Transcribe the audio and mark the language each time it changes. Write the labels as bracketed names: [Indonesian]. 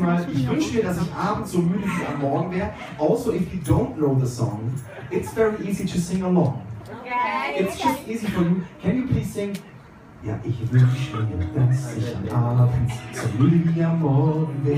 [German] Ich wünsche mir, dass ich abends so müde wie am Morgen wäre. [English] Also, if you don't know the song, it's very easy to sing along. Okay. It's just easy for you. Can you please sing? [German] Ja, ich wünsche mir, dass ich abends so müde wie am Morgen wäre.